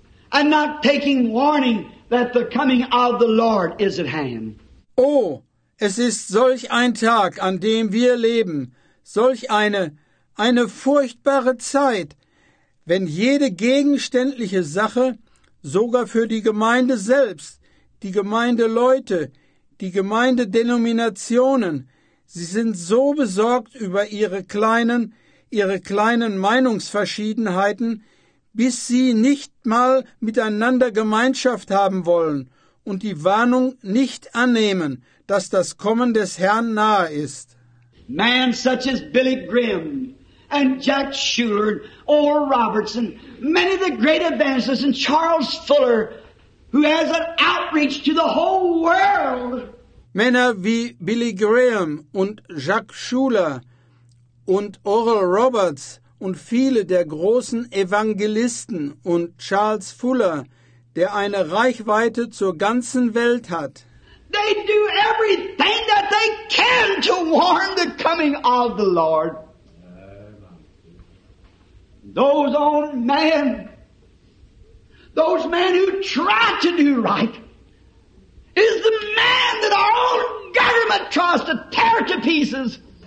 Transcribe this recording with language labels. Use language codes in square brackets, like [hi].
[en] And not taking warning that the coming of the Lord is at hand. [de] Oh, es ist solch ein Tag, an dem wir leben. Solch eine furchtbare Zeit, wenn jede gegenständliche Sache, sogar für die Gemeinde selbst, die Gemeindeleute, die Gemeindedenominationen, Sie sind so besorgt über ihre kleinen Meinungsverschiedenheiten, bis sie nicht mal miteinander Gemeinschaft haben wollen und die Warnung nicht annehmen, dass das Kommen des Herrn nahe ist. [en] Men such as Billy Graham and Jack Schuller, Oral Robertson, many of the great evangelists, and Charles Fuller, who has an outreach to the whole world. [de] Männer wie Billy Graham und Jack Schuller und Oral Roberts und viele der großen Evangelisten und Charles Fuller, der eine Reichweite zur ganzen Welt hat. [en] They do everything that they can to warn the coming of the Lord. Those old men, those men who try to do right, is the man that our own government tries to tear to pieces.